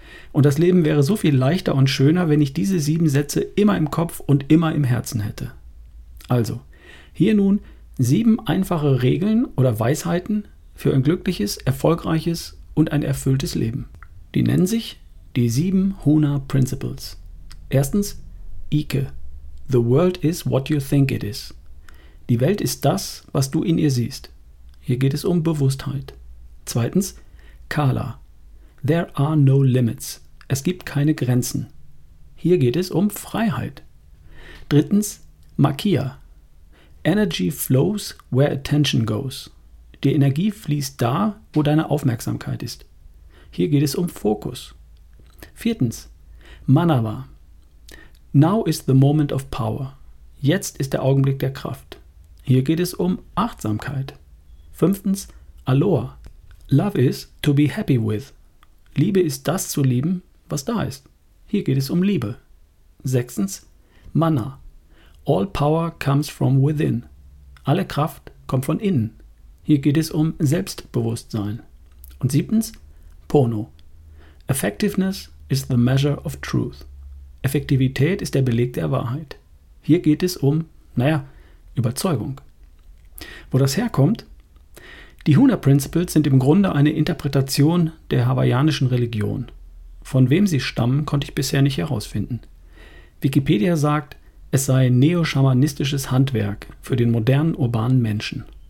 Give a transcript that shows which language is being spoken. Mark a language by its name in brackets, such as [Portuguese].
[German] Und das Leben wäre so viel leichter und schöner, wenn ich diese 7 Sätze immer im Kopf und immer im Herzen hätte. Also, hier nun 7 einfache Regeln oder Weisheiten für ein glückliches, erfolgreiches und ein erfülltes Leben. Die nennen sich die 7 HUNA Principles. Erstens, Ike. [English] The world is what you think it is. [German] Die Welt ist das, was du in ihr siehst. Hier geht es um Bewusstheit. Zweitens, [English] Kala. There are no limits. [German] Es gibt keine Grenzen. Hier geht es um Freiheit. Drittens, Makia. [English] Energy flows where attention goes. [German] Die Energie fließt da, wo deine Aufmerksamkeit ist. Hier geht es um Fokus. Viertens, Manava. [English] Now is the moment of power. [German] Jetzt ist der Augenblick der Kraft. Hier geht es um Achtsamkeit. Fünftens, [English] Aloha. Love is to be happy with. [German] Liebe ist das zu lieben, was da ist. Hier geht es um Liebe. Sechstens, Mana. [English] All power comes from within. [German] Alle Kraft kommt von innen. Hier geht es um Selbstbewusstsein. Und siebtens, Pono. [English] Effectiveness is the measure of truth. [German] Effektivität ist der Beleg der Wahrheit. Hier geht es um, Überzeugung. Wo das herkommt? Die HUNA Principles sind im Grunde eine Interpretation der hawaiianischen Religion. Von wem sie stammen, konnte ich bisher nicht herausfinden. Wikipedia sagt, es sei neoschamanistisches Handwerk für den modernen urbanen Menschen.